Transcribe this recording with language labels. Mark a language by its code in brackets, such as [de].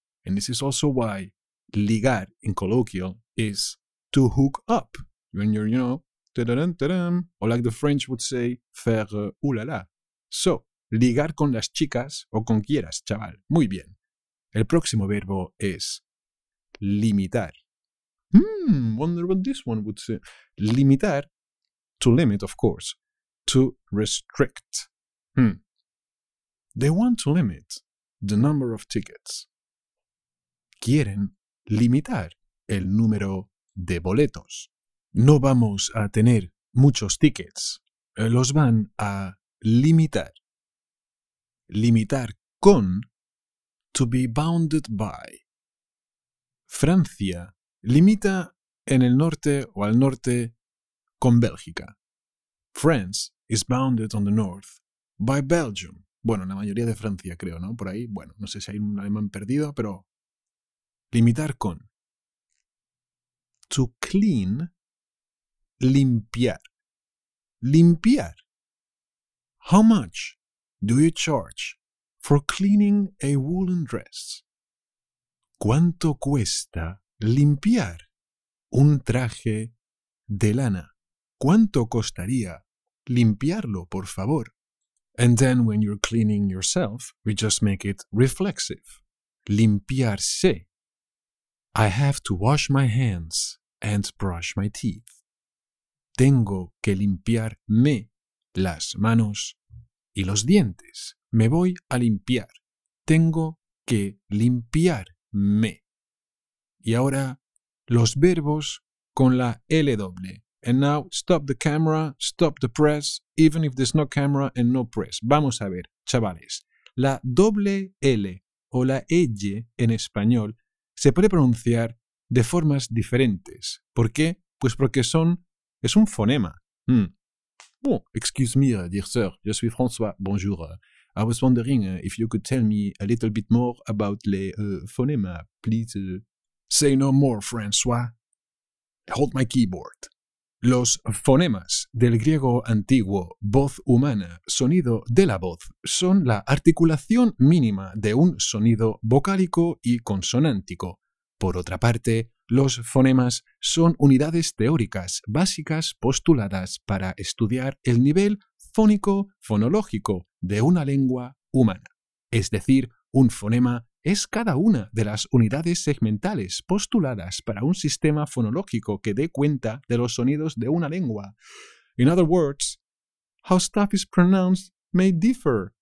[en] And this is also why ligar in colloquial is to hook up. When you're, you know, ta-da-dum, ta-dum, or like the French would say, [fr] faire oulala. [es] So, ligar con las chicas o con quieras, chaval. Muy bien. El próximo verbo es limitar. [en] Wonder what this one would say. Limitar, to limit, of course, to restrict. They want to limit the number of tickets. [es] Quieren limitar el número de boletos. No vamos a tener muchos tickets. Los van a limitar. [en] Limitar con, to be bounded by. [es] Francia limita en el norte o al norte con Bélgica. [en] France is bounded on the north by Belgium. [es] Bueno, la mayoría de Francia, creo, ¿no? Por ahí, bueno, no sé si hay un alemán perdido, pero limitar con. [en] To clean, limpiar. Limpiar. How much do you charge for cleaning a woolen dress? [es] ¿Cuánto cuesta limpiar un traje de lana? ¿Cuánto costaría limpiarlo, por favor? [en] And then when you're cleaning yourself, we just make it reflexive. Limpiarse. I have to wash my hands and brush my teeth. [es] Tengo que limpiarme las manos y los dientes. Me voy a limpiar. Tengo que limpiarme. Y ahora, los verbos con la L doble. [en] And now, stop the camera, stop the press, even if there's no camera and no press. [es] Vamos a ver, chavales. La doble L o la L en español se puede pronunciar de formas diferentes. ¿Por qué? Pues porque son, es un fonema. [fr] Bon, [en] excuse me, dear sir, [fr] je suis François, bonjour. [en] I was wondering if you could tell me a little bit more about le fonema, please. Say no more, François. Hold my keyboard. [es] Los fonemas del griego antiguo, voz humana, sonido de la voz, son la articulación mínima de un sonido vocálico y consonántico. Por otra parte, los fonemas son unidades teóricas básicas postuladas para estudiar el nivel fónico-fonológico de una lengua humana. Es decir, un fonema es cada una de las unidades segmentales postuladas para un sistema fonológico que dé cuenta de los sonidos de una lengua. [en] In other words, how stuff is pronounced may differ.